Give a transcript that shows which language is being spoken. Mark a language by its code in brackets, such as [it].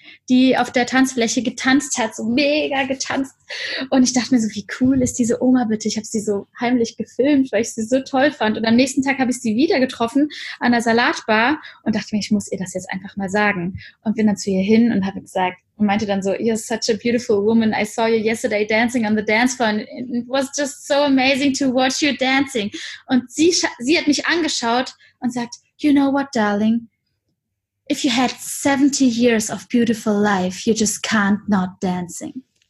[de] die auf der Tanzfläche getanzt hat, so mega getanzt. Und ich dachte mir so, wie cool ist diese Oma bitte? Ich habe sie so heimlich gefilmt, weil ich sie so toll fand. Und am nächsten Tag habe ich sie wieder getroffen an der Salatbar und dachte mir, ich muss ihr das jetzt einfach mal sagen. Und bin dann zu ihr hin und habe gesagt, und meinte dann so, [en] you're such a beautiful woman. I saw you yesterday dancing on the dance floor. And it was just so amazing to watch you dancing. [de] Und sie hat mich angeschaut und sagt, [en] you know what, darling? If you had 70 years of beautiful life, you just can't not dancing.